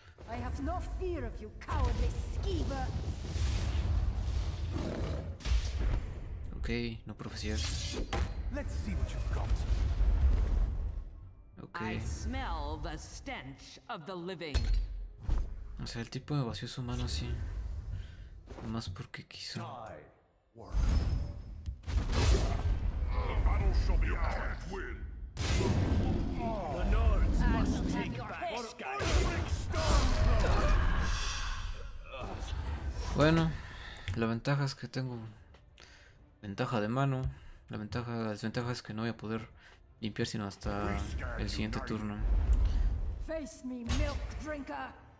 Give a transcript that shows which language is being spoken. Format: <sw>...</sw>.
<en>I have no fear of you, cowardly skeever.</en> <es>Okay, no profecías.</es> <en>Let's see what you've got. Okay. I smell the stench of the living.</en> <es>O sea, el tipo me vació su mano así. Más porque quiso.</es> <en>The battle shall be ours. Can't win. The Nords must take back Skyrim.</en> <es>Bueno, la ventaja es que tengo ventaja de mano. La desventaja es que no voy a poder limpiar sino hasta el siguiente turno.</es> <en>Face me, milk drinker.</en>